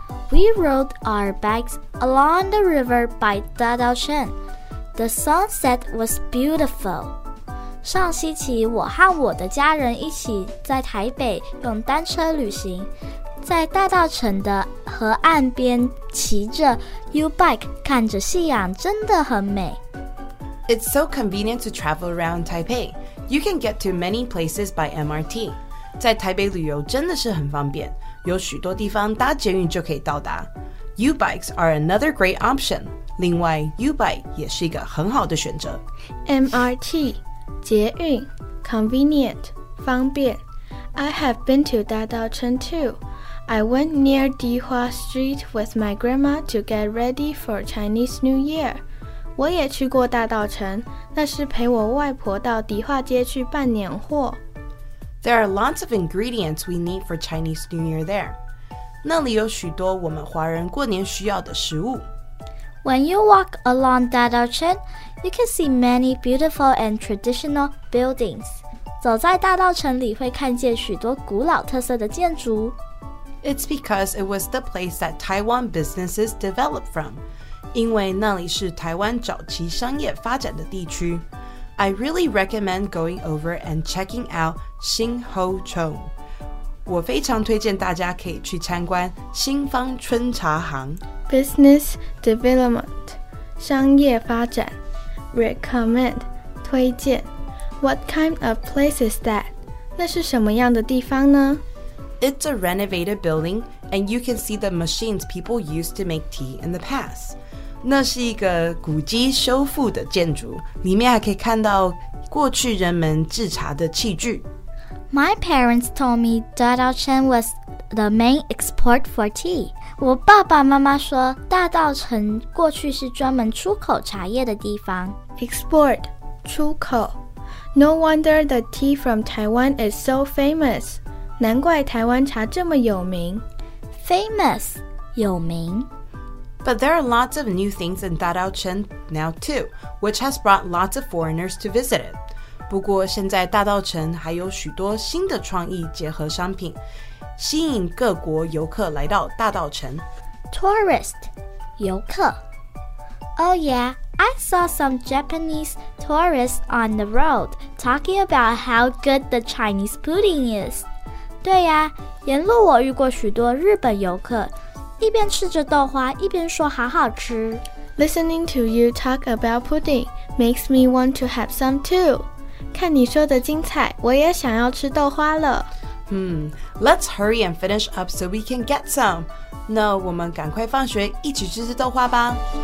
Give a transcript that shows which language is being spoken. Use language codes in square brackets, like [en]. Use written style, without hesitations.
[en] We rode our bikes along the river by Dadaocheng. The sunset was beautiful. [zh] 上星期我和我的家人一起在台北用单车旅行，在大道城的河岸边骑着 U-bike 看着夕阳，真的很美。 [en] It's so convenient to travel around Taipei. You can get to many places by MRT. [zh] 在台北旅游真的是很方便，有许多地方搭捷运就可以到达。 [en] U-bikes are another great option. [zh] 另外 U-bike 也是一个很好的选择。 [en] MRT捷运 convenient, 方便 I have been to Dadaocheng too. I went near Dihua Street with my grandma to get ready for Chinese New Year. [zh] 我也去过大道城，那是陪我外婆到迪化街去办年货。 [en] There are lots of ingredients we need for Chinese New Year there. [zh] 那里有许多我们华人过年需要的食物。 [en] When you walk along Dadaocheng, you can see many beautiful and traditional buildings. [zh] 走在大道城里会看见许多古老特色的建筑。 [en] It's because it was the place that Taiwan businesses developed from. [zh] 因为那里是台湾早期商业发展的地区。 [en] I really recommend going over and checking out 新后城。 [zh] 我非常推荐大家可以去参观新方春茶行。 [en] Business development, 商业发展 Recommend, 推荐 What kind of place is that? [zh] 那是什么样的地方呢? [en] It's a renovated building, and you can see the machines people used to make tea in the past. [zh] 那是一个古迹修复的建筑，里面还可以看到过去人们制茶的器具。 [en] My parents told me Dadaocheng was the main export for tea. [zh] 我爸爸妈妈说大道城过去是专门出口茶叶的地方。 [en] Export, 出口。 No wonder the tea from Taiwan is so famous. [zh] 难怪台湾茶这么有名。 [en] Famous, 有名。 But there are lots of new things in Dadaocheng now too, which has brought lots of foreigners to visit it. [zh] 不过现在大道城还有许多新的创意结合商品。吸引各国游客来到大道城。 [en] Tourist, 游客。 Oh yeah, I saw some Japanese tourists on the road talking about how good the Chinese pudding is. [zh] 对呀，沿路我遇过许多日本游客，一边吃着豆花，一边说好好吃。 [en] Listening to you talk about pudding makes me want to have some too. [zh] 看你说的精彩，我也想要吃豆花了。 [en] Let's hurry and finish up so we can get some. [zh] 那我们赶快放学一起吃吃豆花吧。